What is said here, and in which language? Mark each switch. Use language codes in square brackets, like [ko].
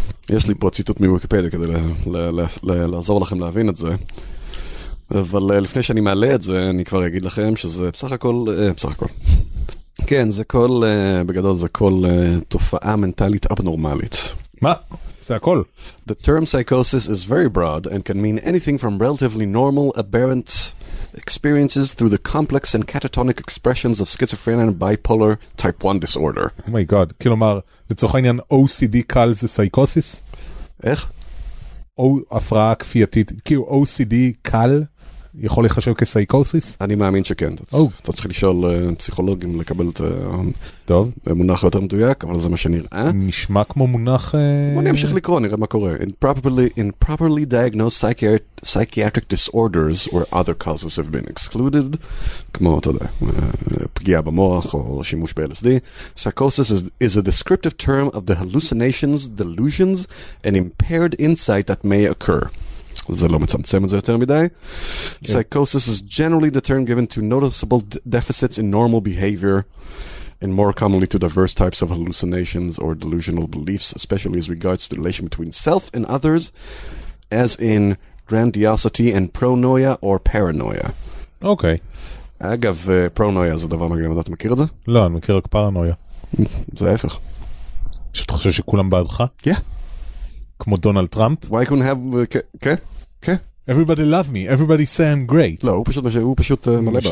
[he] יש לי פה ציטוט מויקיפדיה כדי לעזור לכם להבין את זה. אבל לפני שאני מעלה את זה, אני כבר אגיד לכם שזה בסך הכל, בסך הכל. כן, זה כל, בגדול זה כל תופעה מנטלית אבנורמלית. מה? זה הכל. [en] The term psychosis is very broad and can mean anything from relatively normal, aberrant experiences through the complex and catatonic expressions of schizophrenia and bipolar type 1 disorder. Oh my god. [he] כלומר, לצורך העניין, OCD קל זה psychosis? איך? או הפרעה כפייתית. כאילו, OCD קל יכול לחשב כ-psychosis? אני מאמין שכן. אתה צריך לשאול פסיכולוגים לקבל את מונח יותר מדויק, אבל זה מה שנראה. נשמע כמו מונח... בוא נמשיך לקרוא, נראה מה קורה. [en] Improperly diagnosed psychiatric disorders where other causes have been excluded, [he] כמו, אתה יודע, פגיעה במוח או שימוש ב-LSD, [en] psychosis is a descriptive term of the hallucinations, delusions, and impaired insight that may occur. [he] זה לא מצמצם את זה יותר מדי. [en] Psychosis is generally the term given to noticeable deficits in normal behavior and more commonly to diverse types of hallucinations or delusional beliefs, especially as regards to the relation between self and others, as in grandiosity and pronoia or paranoia. [he] אוקיי. אגב, פרונויה זה דבר מגניב, אתה מכיר את זה? לא, אני מכיר רק פרנויה. זה ההפך. שאתה חושב שכולם בעדך? כן. כמו דונלד טראמפ. [en] Why couldn't have... [he] כן? כן? [en] Everybody love me. Everybody say I'm great. [he] לא, הוא פשוט מלא בעצמו.